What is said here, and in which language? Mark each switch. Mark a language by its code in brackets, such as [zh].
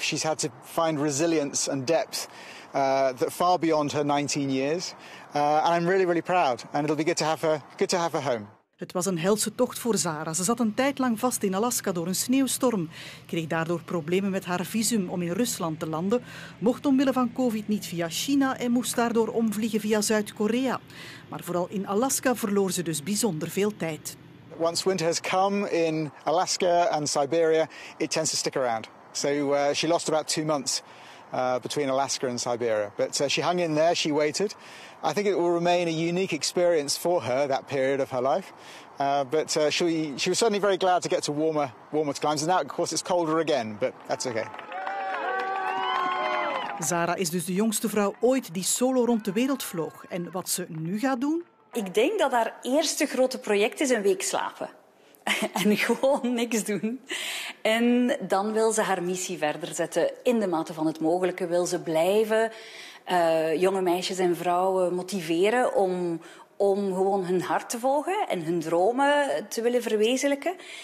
[en] She's had to find resilience and depth that far beyond her 19 years. And I'm really, really proud. And it'll be good to have her home. [nl] Het was een helse tocht voor Zara. Ze zat een tijd lang vast in Alaska door een sneeuwstorm, kreeg daardoor problemen met haar visum om in Rusland te landen, mocht omwille van COVID niet via China en moest daardoor omvliegen via Zuid-Korea. Maar vooral in Alaska verloor ze dus bijzonder veel tijd. [en] Once winter has come in Alaska and Siberia, it tends to stick around. So she lost about 2 months between Alaska and Siberia. But she hung in there, she waited. I think it will remain a unique experience for her, that period of her life. But she was certainly very glad to get to warmer climes. And now, of course, it's colder again, but that's okay. [nl] Zara is dus de jongste vrouw ooit die solo rond de wereld vloog. En wat ze nu gaat doen? Ik denk dat haar eerste grote project is een week slapen. En gewoon niks doen. En dan wil ze haar missie verder zetten. In de mate van het mogelijke wil ze blijven jonge meisjes en vrouwen motiveren om gewoon hun hart te volgen en hun dromen te willen verwezenlijken.